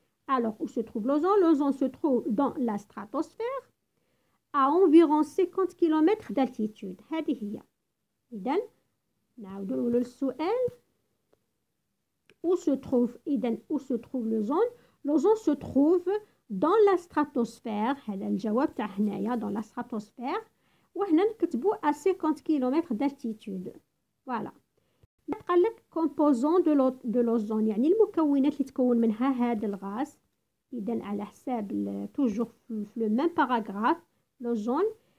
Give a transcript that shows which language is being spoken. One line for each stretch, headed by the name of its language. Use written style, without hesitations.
French: Alors, où se trouve l'ozone? L'ozone se trouve dans la stratosphère à environ 50 km d'altitude.
Arabic: هذه هي. إذا نعود للسؤال.
French: Où se trouve l'ozone? L'ozone se trouve dans la stratosphère.
Arabic: هذا الجواب تاع هنايا
French: dans la stratosphère.
Arabic: وهنا نكتبو
French: à 50 km d'altitude. Voilà.
Arabic: يبقى لك
French: composants de l'ozone.
Arabic: يعني المكونات اللي تكون منها هذا الغاز. إذا على حساب toujours في
French: le même paragraphe. L'ozone.